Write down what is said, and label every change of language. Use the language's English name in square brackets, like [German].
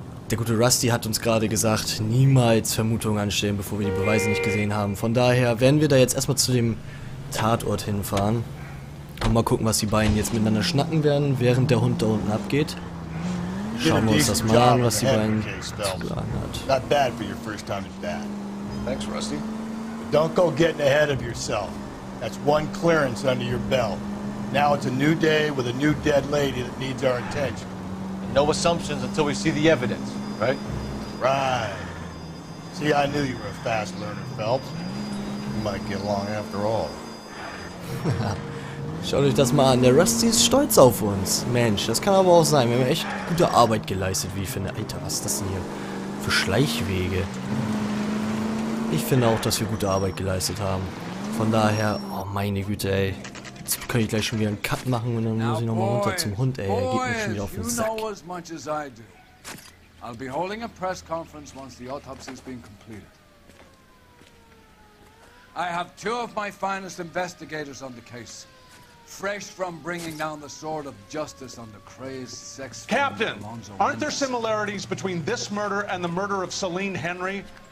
[German] Der gute Rusty hat uns gerade gesagt, niemals Vermutungen anstellen, bevor wir die Beweise nicht gesehen haben. Von daher werden wir da jetzt erstmal zu dem Tatort hinfahren. Und mal gucken, was die beiden jetzt miteinander schnacken werden, während der Hund da unten abgeht. Schauen wir uns das mal an, was die beiden zu sagen hat. [English] Not bad for your first time at bat. Thanks, Rusty. But don't go getting ahead of yourself. That's one clearance under your belt. Now it's a new day with a new dead lady that needs our attention. No assumptions until we see the evidence, right? Right. See, I knew you were a fast learner, Phelps. You might get along after all. [German] Schaut euch das mal an. Der Rusty ist stolz auf uns. Mensch, das kann aber auch sein. Wir haben echt gute Arbeit geleistet, wie ich finde. Alter, was ist das denn hier für Schleichwege? Ich finde auch, dass wir gute Arbeit geleistet haben. Von daher, oh meine Güte, ey. Jetzt könnte ich gleich schon wieder einen Cut machen und dann muss ich nochmal runter zum Hund, ey. Er geht mir schon wieder auf den Sack. [English] As much as I do. I'll be holding a press conference once the autopsy has been completed. I have two of my finest investigators on the case. Fresh from bringing down the sword of justice on the crazed sex... Captain, aren't there similarities between this murder and the murder of Celine Henry?